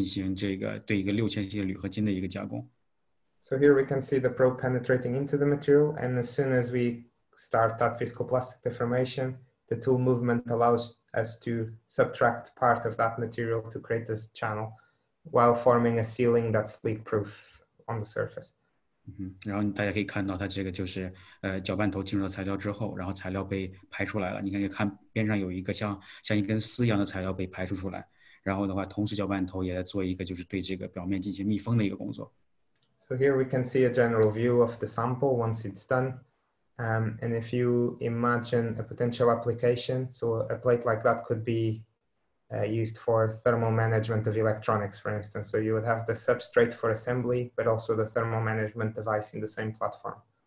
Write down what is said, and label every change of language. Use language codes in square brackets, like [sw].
[zh] 然后照片的话，就是一个搅拌头在进行这个对一个6000系铝合金的一个加工。 [en] So here we can see the probe penetrating into the material. And as soon as we start that viscoplastic deformation, the tool movement allows us to subtract part of that material to create this channel while forming a ceiling that's leak-proof on the surface. [zh] 然后大家可以看到它这个就是搅拌头进入到材料之后，然后材料被排出来了。你看，看边上有一个像一根丝一样的材料被排出来，然后的话，同时搅拌头也在做一个就是对这个表面进行密封的一个工作。 [en] So here we can see a general view of the sample once it's done. And if you imagine a potential application, so a plate like that could be used for thermal management of electronics, for instance. So you would have the substrate for assembly, but also the thermal management device in the same platform.